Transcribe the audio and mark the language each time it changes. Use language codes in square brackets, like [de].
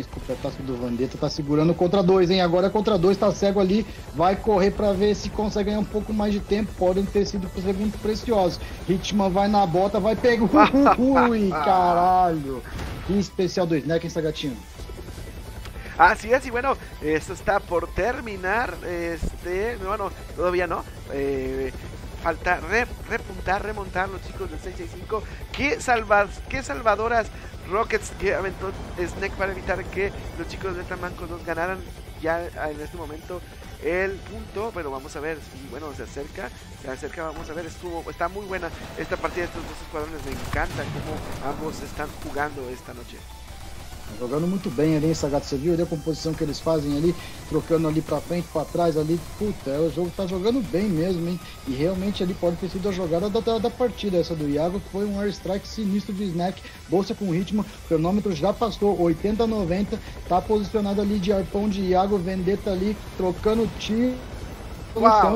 [pt] Escopetaço do Vendetta. Tá segurando contra 2, hein? Agora é contra 2, tá cego ali. Vai correr pra ver se consegue ganhar um pouco mais de tempo. Podem ter sido pro segundo precioso. Hitman vai na bota, vai pegar. Ui, caralho. Que especial 2, né, quem está gatinho? [es] Así es, y bueno, esto está por terminar. Bueno, todavía no. Falta repuntar, remontar los chicos del 665. ¿Qué salvadoras Rockets que aventó Snack para evitar que los chicos de Tamanco 2 ganaran ya en este momento el punto? Pero vamos a ver si, bueno, se acerca, vamos a ver. Está muy buena esta partida de estos dos escuadrones. Me encanta cómo ambos están jugando esta noche. [pt] Jogando muito bem ali, essa gata, você viu ali a composição que eles fazem ali, trocando ali pra frente, pra trás ali, puta, o jogo tá jogando bem mesmo, hein, e realmente ali pode ter sido a jogada da partida essa do Iago, que foi um airstrike sinistro de Snack, bolsa com ritmo, cronômetro já passou, 80-90, tá posicionado ali de arpão de Iago, Vendetta ali, trocando tiro. Uau.